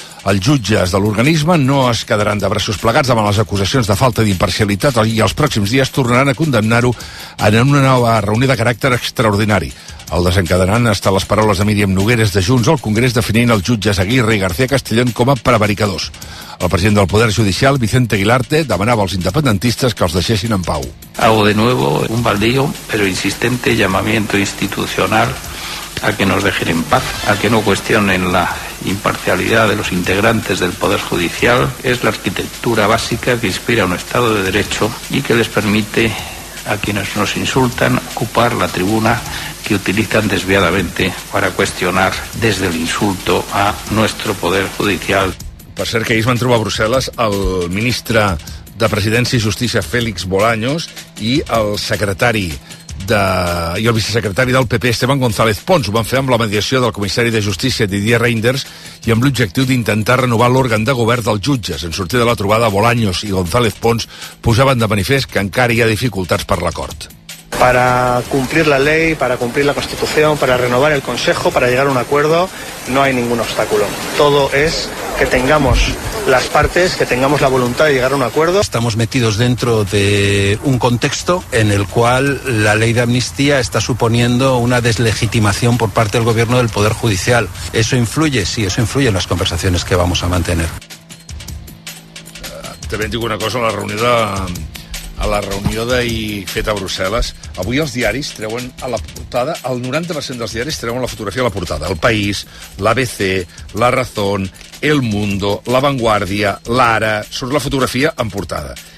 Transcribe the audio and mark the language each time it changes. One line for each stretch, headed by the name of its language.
Catalan: Els jutges de l'organisme no es quedaran de braços plegats davant les acusacions de falta d'imparcialitat i els pròxims dies tornaran a condemnar-ho en una nova reunió de caràcter extraordinari. El desencadenant està les paraules de Míriam Nogueres de Junts al Congrés definint els jutges Aguirre i García Castellón com a prevaricadors. El president del Poder Judicial, Vicente Aguilarte, demanava als independentistes que els deixessin en pau.
Spanish: Hago de nuevo un baldío, pero insistente llamamiento institucional a que nos dejen en paz, a que no cuestionen la imparcialidad de los integrantes del Poder Judicial. Es la arquitectura básica que inspira un Estado de Derecho y que les permite a quienes nos insultan ocupar la tribuna que utilizan desviadamente para cuestionar desde el insulto a nuestro Poder Judicial.
Catalan: Per cert, que ahir es van trobar a Brussel·les el ministre de Presidència i Justícia, Félix Bolaños, i el secretari de... i el vicesecretari del PP, Esteban González Pons. Ho van fer amb la mediació del comissari de Justícia, Didier Reynders, i amb l'objectiu d'intentar renovar l'òrgan de govern dels jutges. En sortir de la trobada, Bolaños i González Pons posaven de manifest que encara hi ha dificultats per l'acord.
Spanish: Para cumplir la ley, para cumplir la Constitución, para renovar el Consejo, para llegar a un acuerdo, no hay ningún obstáculo. Todo es que tengamos las partes, que tengamos la voluntad de llegar a un acuerdo. Estamos metidos dentro de un contexto en el cual la ley de amnistía está suponiendo una deslegitimación por parte del gobierno del Poder Judicial. ¿Eso influye? Sí, eso influye en las conversaciones que vamos a mantener. También digo una cosa,
Catalan: la reunió d'ahir feta a Brussel·les. Avui els diaris treuen a la portada, el 90% dels diaris treuen la fotografia a la portada. El País, l'ABC, La Razón, El Mundo, La Vanguardia, l'Ara, surt la fotografia en portada.